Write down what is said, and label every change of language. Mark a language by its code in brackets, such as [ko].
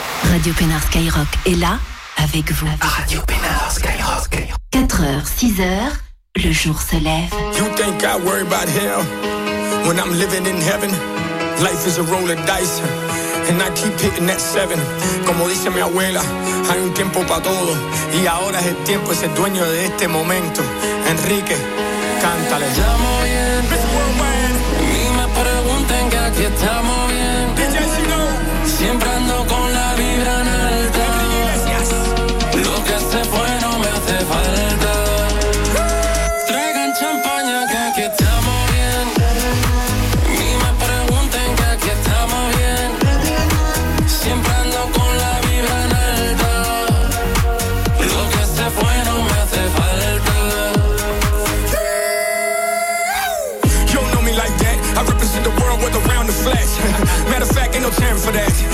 [fr] Radio Pénard Skyrock est là avec vous. Radio Pénard Skyrock. 4h, 6h, le jour se lève. [en] You think I worry about hell when I'm living in heaven? Life is a roll of dice and I keep hitting that 7. [es] Como dice mi abuela, hay un tiempo para todo y ahora es el tiempo, es el dueño de este momento. Enrique, cántale. Estamos bien, y me pregunten que aquí estamos bien. Siempre ando con la vibra en alta. Lo que se fue no me hace falta. Traigan champaña que aquí estamos bien. Ni me pregunten que aquí estamos bien. Siempre ando con la vibra en alta. Lo que se fue no me hace falta. [en] You don't know me like that. I represent the world with a round of flesh. Matter of fact, ain't no time for that.